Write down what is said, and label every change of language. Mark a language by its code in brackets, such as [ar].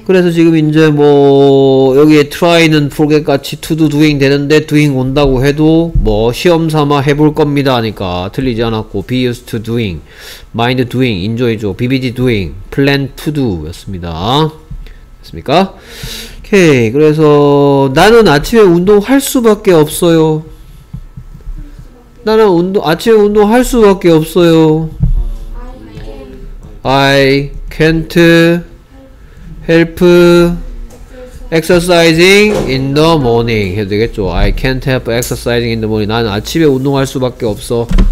[ko] 그래서 지금 이제 뭐 여기에 try는 forget 같이 to do doing 되는데 doing 온다고 해도 뭐 시험 삼아 해볼 겁니다 하니까 틀리지 않았고 be used to doing, mind doing, enjoy죠, BBD doing, plan to do 였습니다. 됐습니까? 오케이. 그래서 나는 아침에 운동할 수밖에 없어요. 나는 운동 아침에 운동할 수밖에 없어요. [en] I can't help exercising in the morning [ko] 해도 되겠죠. [en] I can't help exercising in the morning. [ko] 나는 아침에 운동할 수밖에 없어.